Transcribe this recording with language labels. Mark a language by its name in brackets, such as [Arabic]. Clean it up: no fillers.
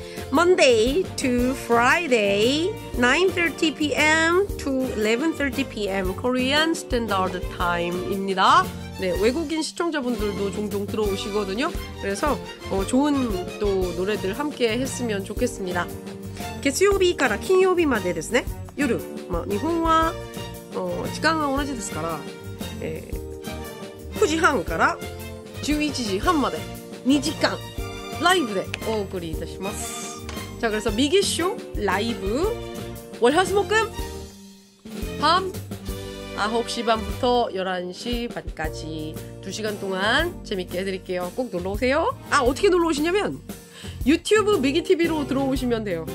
[English] Monday to Friday, 9:30 PM to 11:30 PM, Korean Standard Time입니다. [Korean] 네, 외국인 시청자분들도 종종 들어오시거든요. 그래서 좋은 또 노래들 함께 했으면 좋겠습니다. [Japanese] 月曜日から金曜日までですね。夜、まあ、日本は、時間が同じですから、9時半から11時半まで2時間ライブでお送りいたします。 [Korean] じゃあ、그래서미기쇼ライブ월화수목금밤9시반부터11시반까지2시간 동안 재밌게 해드릴게요. 꼭 놀러 오세요. 아, 어떻게 놀러 오시냐면 유튜브 미기TV로 들어오시면 돼요.